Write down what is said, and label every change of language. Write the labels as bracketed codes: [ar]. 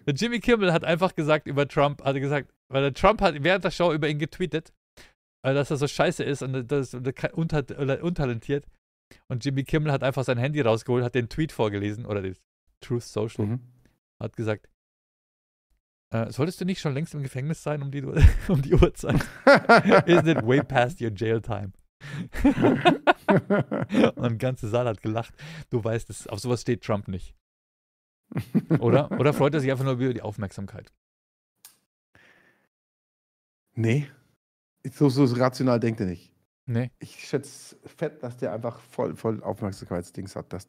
[de] Der Jimmy Kimmel hat einfach gesagt über Trump, hat gesagt, weil der Trump hat während der Show über ihn getweetet, dass er so scheiße ist und das untalentiert. Und Jimmy Kimmel hat einfach sein Handy rausgeholt, hat den Tweet vorgelesen oder den Truth Social. Mhm. Hat gesagt: Solltest du nicht schon längst im Gefängnis sein um die Uhrzeit? [en] Isn't it way past your jail time? [de] Und der ganze Saal hat gelacht. Du weißt, auf sowas steht Trump nicht. Oder? Oder freut er sich einfach nur über die Aufmerksamkeit? Nee. So rational denkt er nicht. Nee. Ich schätze fett, dass der einfach voll Aufmerksamkeitsdings hat.